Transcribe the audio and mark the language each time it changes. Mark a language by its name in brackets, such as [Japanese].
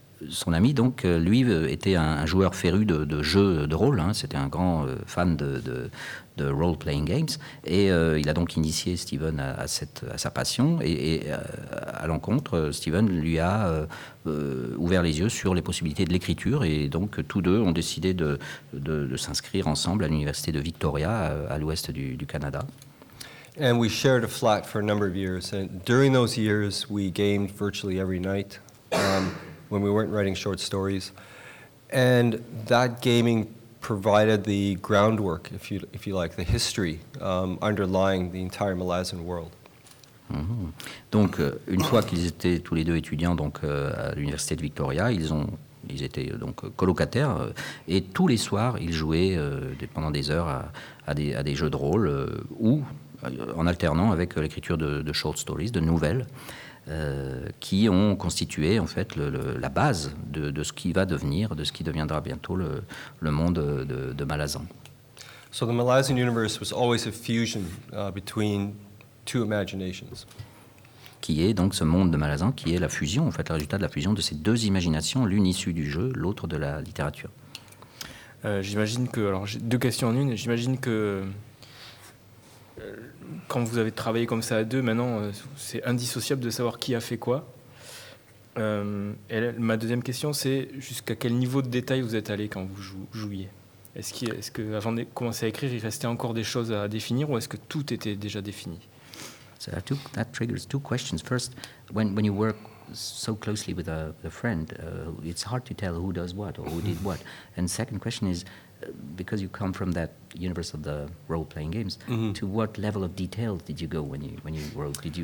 [French] Son ami, donc, lui, était un joueur féru de jeux de rôle, hein, c'était un grand fan de [English] role-playing games, [French] et il a donc initié Stephen à sa passion, et à l'encontre, Stephen lui a ouvert les yeux sur les possibilités de l'écriture, et donc tous deux ont décidé de s'inscrire ensemble à l'université de Victoria, à l'ouest du Canada. [English] And we shared a flat for a number of years, and during those years, we gamed virtually every night, when we weren't writing short stories, and that gaming provided the groundwork, if you like, the history underlying the entire Malazan world. Mm-hmm. [French] Donc, une fois qu'ils étaient tous les deux étudiants donc à l'université de Victoria, ils étaient donc colocataires et tous les soirs ils jouaient pendant des heures à des jeux de rôle ou en alternant avec l'écriture de [English] short stories, [French] de nouvelles. Qui ont constitué en fait la base de ce qui deviendra bientôt le monde de Malazan. [English] So the Malazan universe was always a fusion between two imaginations. [French] Qui est donc ce monde de Malazan, qui est la fusion, en fait, le résultat de la fusion de ces deux imaginations, l'une issue du jeu, l'autre de la littérature. J'imagine que, alors j'ai deux questions en une, j'imagine que quand vous avez travaillé comme ça à deux, maintenant, c'est indissociable de savoir qui a fait quoi. Ma deuxième question, c'est jusqu'à quel niveau de détail vous êtes allé quand vous jouiez. Est-ce que, avant de commencer à écrire, il restait encore des choses à définir, ou est-ce que tout était déjà défini? [English] So that triggers two questions. First, when you work so closely with a friend, it's hard to tell who does what or who did what. And second question is, because you come from that universe of the role-playing games, mm-hmm. to what level of detail did you go when you wrote?